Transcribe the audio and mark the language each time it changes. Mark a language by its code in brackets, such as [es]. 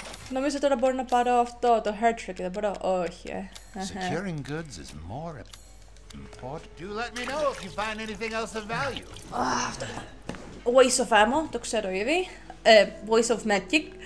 [el] Νομίζω τώρα μπορώ να πάρω αυτό, το hair trick, δεν μπορώ. Όχι. [en] Securing goods is more important. Do let me know if you find anything else of value. Waste of ammo, [el] το ξέρω ήδη. [en] Waste of magic.